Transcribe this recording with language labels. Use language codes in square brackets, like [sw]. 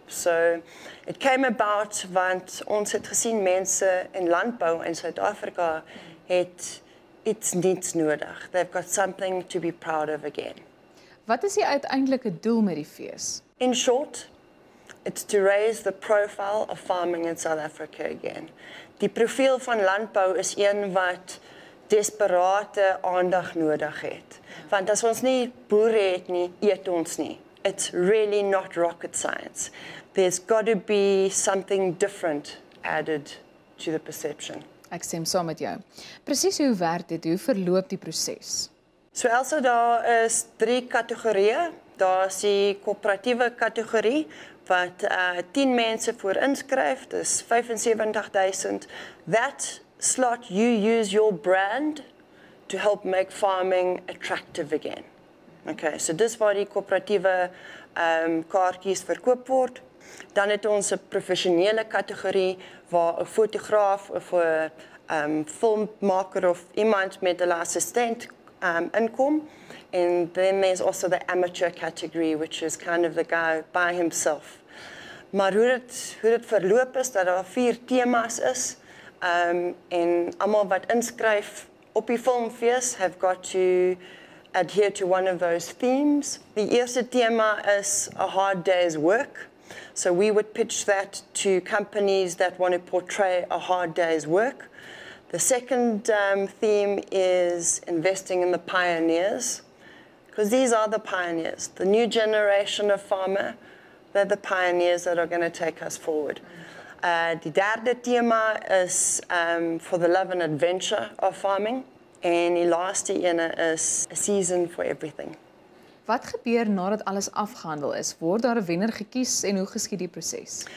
[en] So it came about [af] want ons het gesien mense in landbou in Suid-Afrika het iets nuuts nodig. [en] They've got something to be proud of again. [af] Wat is die uiteindelike doel met die fees? [en] In short, it's to raise the profile of farming in South Africa again. [af] Die profiel van landbou is een wat desperate aandag nodig het. Want as ons nie boere het nie, eet ons nie. [en] It's really not rocket science. There's got to be something different added to the perception. [af] Ek stem saam met jou. Presies hoe werk dit? Hoe verloop die proses? So also daar is 3 kategorieë. Daar's die koöperatiewe kategorie wat 10 mense voor inskryf, dis 75,000. [en] That slot you use your brand to help make farming attractive again. [af] Okay, so dis waar die koöperatiewe kaartjies verkoop word. Dan het ons 'n professionele kategorie waar 'n fotograaf of 'n filmmaker of iemand met 'n assistent inkom. [en] And then there's also the amateur category, which is kind of the guy by himself. [af] Maar hoe dit verloop is, dat daar 4 temas is, en almal wat inskryf op die filmfees [en] have got to adhere to one of those themes. [af] Die eerste tema is [en] a hard day's work. So we would pitch that to companies that want to portray a hard day's work. The second theme is investing in the pioneers. Because these are the pioneers, the new generation of farmer, they're the pioneers that are going to take us forward. [af] Die derde tema is [en] for the love and adventure of farming. [af] En die laaste ene is [en] a season for everything. [af] Wat gebeur nadat alles afgehandel is? Word daar 'n wenner gekies en hoe geskied die proses?